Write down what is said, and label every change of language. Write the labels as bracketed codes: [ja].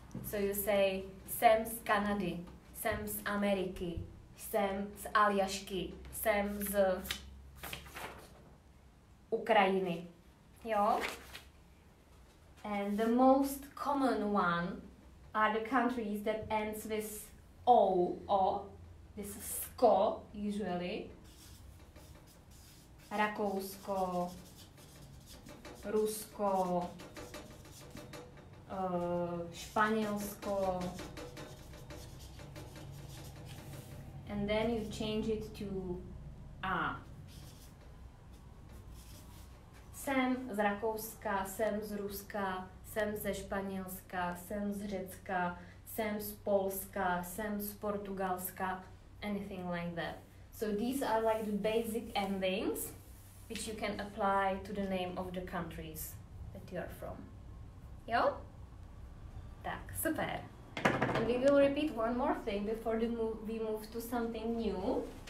[en] So you say [cs] sem z Kanady, sem z Ameriky, sem z Aljašky, sem z Ukrajiny. Jo? [en] And the most common one are the countries that ends with O, or this is sko usually. [cs] Rakousko, Rusko, Španělsko. [en] And then you change it to A. [cs] Jsem z Rakouska, jsem z Ruska, jsem ze Španělska, jsem z Řecka, jsem z Polska, jsem z Portugalska, [en] anything like that. So these are like the basic endings which you can apply to the name of the countries that you are from. [cs] Jo? Tak, super. [en] And we will repeat one more thing before we move to something new.